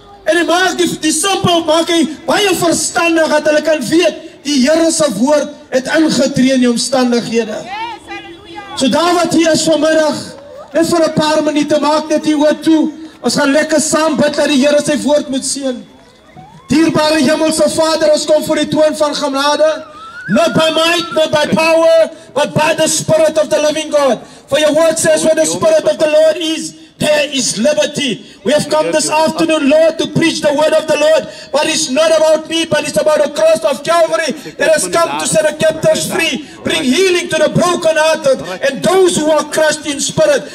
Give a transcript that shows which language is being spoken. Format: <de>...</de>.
<af>En hy maak die simpel, maak hy baie verstandig dat hulle kan weet, die Here se woord het ingetree in die omstandighede. So daar wat hier is vanmiddag, net vir 'n paar minute, maak net hier oor toe. Ons gaan lekker saam bid dat die Here sy woord moet seën. Dierbare Hemelse Vader, ons kom voor die troon van genade.</af> <en>Not by might, not by power, but by the Spirit of the living God. For your word says, where the Spirit of the Lord is, there is liberty. We have come this afternoon, Lord, to preach the word of the Lord. But it's not about me, but it's about the cross of Calvary that has come to set the captives free, bring healing to the brokenhearted and those who are crushed in spirit.</en>